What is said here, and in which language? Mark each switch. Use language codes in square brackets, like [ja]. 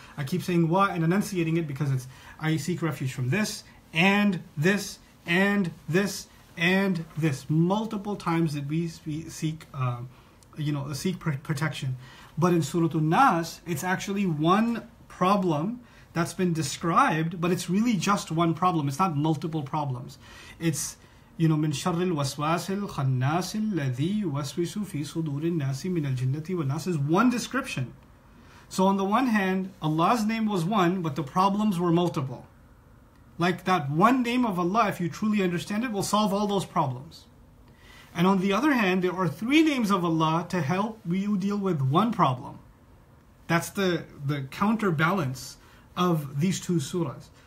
[en] I keep saying wa and enunciating it because it's, I seek refuge from this, and this, and this, and this. Multiple times that we seek, seek protection. But in Surah An-Nas, it's actually one problem that's been described, but it's really just one problem. It's not multiple problems. It's, you know, [ar] من شر الوسواس الخناس الذي يوسوس في صدور الناس من الجنة والناس [en] is one description. So on the one hand, Allah's name was one, but the problems were multiple. Like that one name of Allah, if you truly understand it, will solve all those problems. And on the other hand, there are three names of Allah to help you deal with one problem. That's the counterbalance of these two surahs.